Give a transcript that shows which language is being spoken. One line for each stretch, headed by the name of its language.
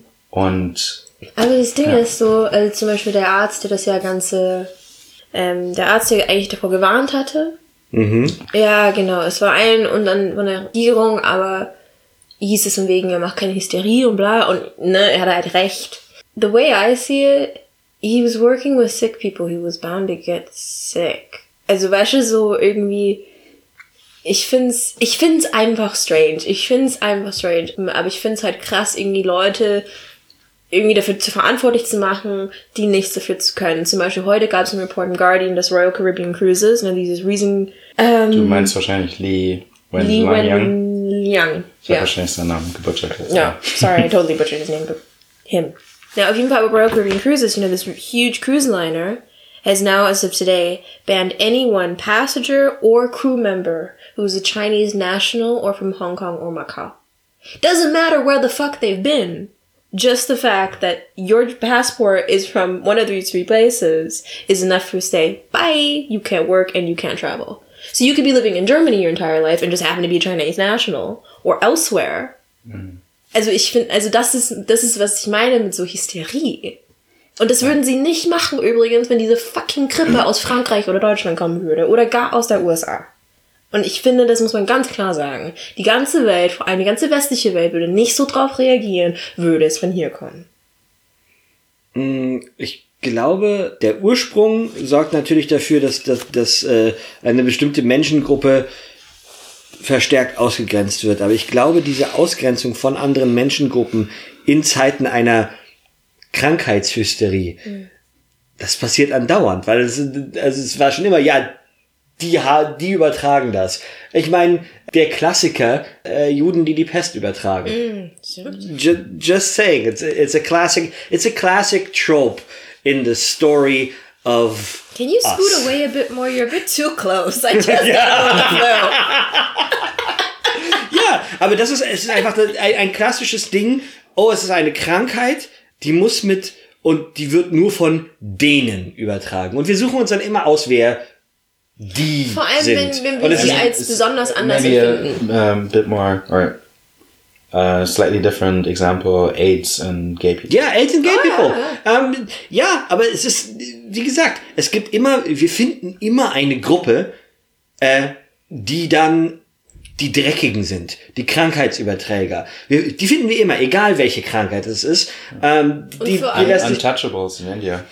German: Und aber das Ding ist so, also zum Beispiel der Arzt, der das ja ganze, der Arzt, der eigentlich davor gewarnt hatte, ja, genau, es war ein und dann von der Regierung, aber hieß es von wegen, er macht keine Hysterie und bla, und ne, er hat halt recht.
English: The way I see it, he was working with sick people, he was bound to get sick.
German: Also, weißt du, so irgendwie, ich find's einfach strange, aber ich find's halt krass, irgendwie Leute irgendwie dafür zu verantwortlich zu machen, die nichts dafür zu können. Zum Beispiel heute gab es einen Report im Guardian, des Royal Caribbean Cruises, ne, dieses Riesen... du meinst wahrscheinlich Li Wenliang. Ich habe wahrscheinlich seinen Namen gebutschert.
English: Ja, sorry, I totally butchered his name, but him. Now,
German: auf jeden Fall bei
English: Royal Caribbean Cruises, you know, this huge cruise liner has now, as of today, banned anyone, passenger or crew member, who is a Chinese national or from Hong Kong or Macau. Doesn't matter where the fuck they've been. Just the fact that your passport is from one of these three places is enough to say, bye, you can't work and you can't travel. So you could be living in Germany your entire life and just happen to be a Chinese national or elsewhere. Mm.
German: Also ich finde, also das ist, was ich meine mit so Hysterie. Und das würden sie nicht machen übrigens, wenn diese fucking Grippe aus Frankreich oder Deutschland kommen würde oder gar aus der USA. Und ich finde, das muss man ganz klar sagen. Die ganze Welt, vor allem die ganze westliche Welt, würde nicht so drauf reagieren, würde es von hier kommen. Ich glaube, der Ursprung sorgt natürlich dafür, dass eine bestimmte Menschengruppe verstärkt ausgegrenzt wird. Aber ich glaube, diese Ausgrenzung von anderen Menschengruppen in Zeiten einer Krankheitshysterie, das passiert andauernd. Weil es war schon immer, ja, die übertragen das. Ich meine, der Klassiker, Juden, die Pest übertragen.
English: Just saying, it's a classic trope in the story of us. Can you scoot us away a bit more? You're a bit too close. I just don't know.
German: Yeah, aber es ist einfach ein klassisches Ding. Oh, es ist eine Krankheit, die muss mit und die wird nur von denen übertragen. Und wir suchen uns dann immer aus, wer die vor allem, sind. Wenn wir sie als besonders anders empfinden.
English: A bit more, or slightly different example, AIDS and gay people. Yeah, AIDS and gay people. Yeah.
German: Ja, aber es ist, wie gesagt, es gibt immer, wir finden immer eine Gruppe, die dann die Dreckigen sind, die Krankheitsüberträger. Die finden wir immer, egal welche Krankheit es ist.
English: Untouchables in India.